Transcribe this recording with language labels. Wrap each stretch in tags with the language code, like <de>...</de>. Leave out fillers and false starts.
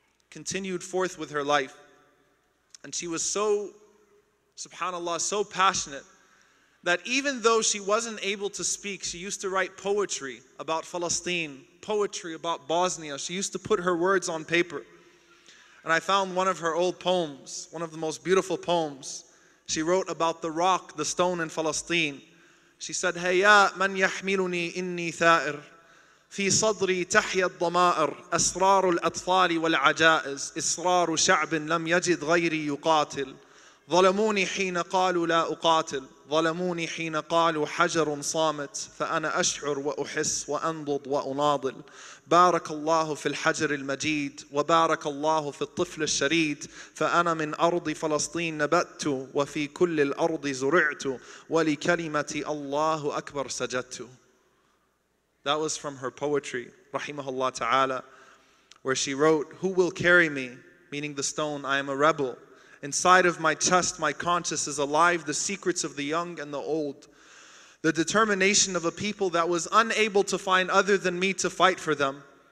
<en>Continued forth with her life. And she was so, subhanAllah, so passionate that even though she wasn't able to speak, she used to write poetry about Palestine, poetry about Bosnia. She used to put her words on paper. And I found one of her old poems, one of the most beautiful poems. She wrote about the rock, the stone in Palestine. She said,</en> <ar>Hayya man yahmiluni inni tha'ir في صدري تحيا الضمائر أسرار الأطفال والعجائز إصرار شعب لم يجد غيري يقاتل ظلموني حين قالوا لا أقاتل ظلموني حين قالوا حجر صامت فأنا أشعر وأحس وأنضض وأناضل بارك الله في الحجر المجيد وبارك الله في الطفل الشريد فأنا من أرض فلسطين نبأت وفي كل الأرض زرعت ولكلمة الله أكبر سجدت.</ar> <en>That was from her poetry, rahimahullah ta'ala, where she wrote, "Who will carry me?" Meaning the stone, "I am a rebel. Inside of my chest, my conscience is alive, the secrets of the young and the old. The determination of a people that was unable to find other than me to fight for them.</en>